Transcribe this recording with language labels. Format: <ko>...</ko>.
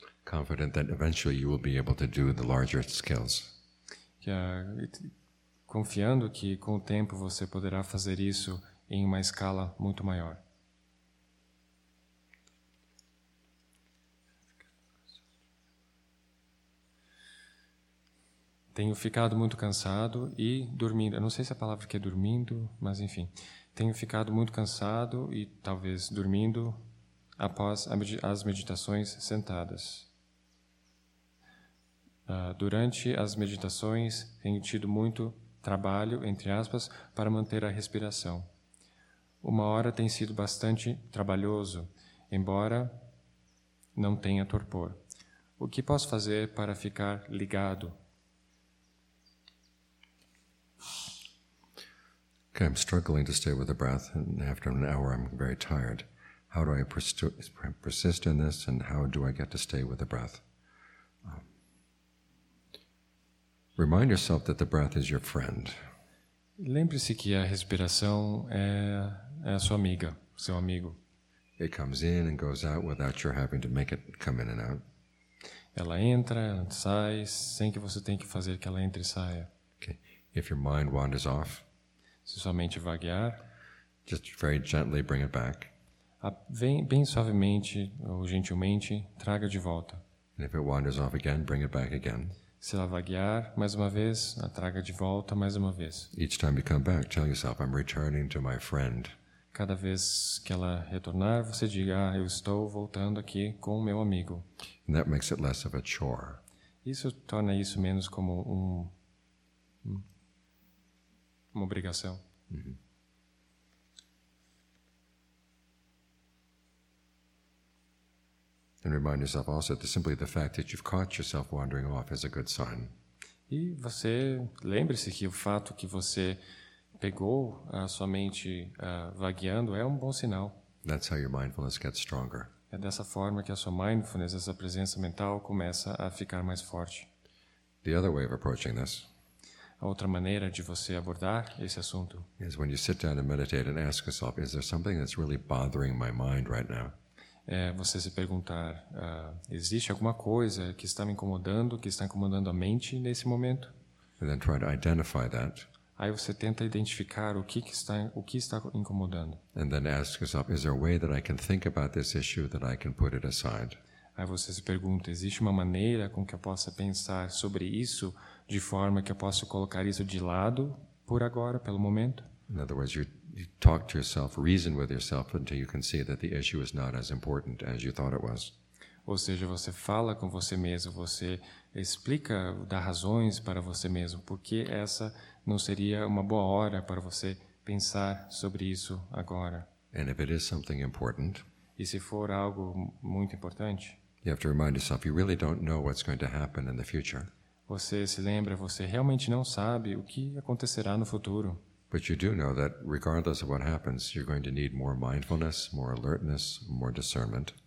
<en>Confident that eventually you will be able to do the larger scales.</en> <pt>Confiando que com o tempo você poderá fazer isso em uma escala muito maior. Tenho ficado muito cansado e dormindo. Eu não sei se a palavra que é dormindo, mas enfim. Tenho ficado muito cansado e talvez dormindo após as meditações sentadas. Durante as meditações, tenho tido muito trabalho, entre aspas, para manter a respiração. Uma hora tem sido bastante trabalhoso, embora não tenha torpor. O que posso fazer para ficar ligado?</pt> <en>Okay, I'm struggling to stay with the breath, and after an hour I'm very tired. How do I persist in this, and how do I get to stay with the breath? Remind yourself that the breath is your friend.</en> <pt>Lembre-se que a respiração é a sua amiga, seu amigo.</pt> <en>It comes in and goes out without your having to make it come in and out.</en> <pt>Ela entra, sai, sem que você tenha que fazer que ela entre e saia.</pt> <en>Okay. If your mind wanders off,</en> <pt>se sua mente vaguear,</pt> <en>just very gently bring it back.</en> <pt>Bem suavemente ou gentilmente, traga de volta.</pt> <en>And if it wanders off again, bring it back again.</en> <pt>Se ela vaguear mais uma vez, a traga de volta mais uma vez.</pt> <en>Each time you come back, tell yourself, I'm returning to my friend.</en> <pt>cada vez que ela retornar, você diga, ah, eu estou voltando aqui com o meu amigo.</pt> <en>And that makes it less of a chore.</en> <pt>Isso torna isso menos como uma obrigação. Mm-hmm.</pt> <en>And remind yourself also that simply the fact that you've caught yourself wandering off is a good sign.</en> <pt>E você lembre-se que o fato que você pegou a sua mente vagueando é um bom sinal.</pt> <en>That's how your mindfulness gets stronger.</en> <pt>É dessa forma que a sua mindfulness, essa presença mental, começa a ficar mais forte.</pt> <en>The other way of approaching this.</en> <pt>A outra maneira de você abordar esse assunto.</pt> <en>Is when you sit down and meditate and ask yourself, is there something that's really bothering my mind right now?</en> <pt>É você se perguntar, existe alguma coisa que está me incomodando, que está incomodando a mente nesse momento?</pt> <en>And then try to identify that.</en> <pt>Aí você tenta identificar o que está incomodando.</pt> <en>And then ask yourself, is there a way that I can think about this issue that I can put it aside?</en> <pt>Aí você se pergunta, existe uma maneira com que eu possa pensar sobre isso de forma que eu possa colocar isso de lado por agora, pelo momento?</pt> <en>In other words, you talk to yourself, reason with yourself until you can see that the issue is not as important as you thought it was.</en> <pt>Ou seja, você fala com você mesmo, você explica, dá razões para você mesmo, porque essa não seria uma boa hora para você pensar sobre isso agora.</pt> <en>And if it is something important,</en> <pt>e se for algo muito importante,</pt> <en>you have to remind yourself, you really don't know what's going to happen in the future.</en> <pt>Você se lembra, você realmente não sabe o que acontecerá no futuro.</pt> <en>But you do know that regardless of what happens, you're going to need more mindfulness, more alertness, more discernment.</en>